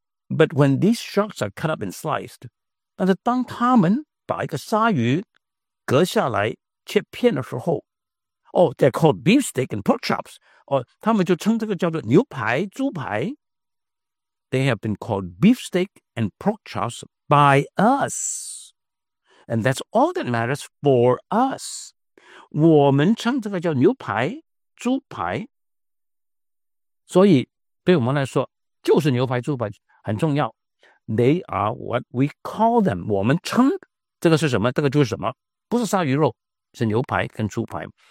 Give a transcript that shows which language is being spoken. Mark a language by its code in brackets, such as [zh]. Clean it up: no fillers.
[en] But when these sharks are cut up and sliced， [zh] 但是当他们把一个鲨鱼割下来切片的时候， [en] Oh, they're called beefsteak and pork chops. [zh] Oh, 他们就称这个叫做牛排、猪排。 [en] They have been called beefsteak and pork chops by us. And that's all that matters for us. [zh] 我们称这个叫牛排、猪排。所以对我们来说，就是牛排、猪排很重要。 [en] They are what we call them. [zh] 我们称这个是什么？这个就是什么？不是鲨鱼肉，是牛排跟猪排。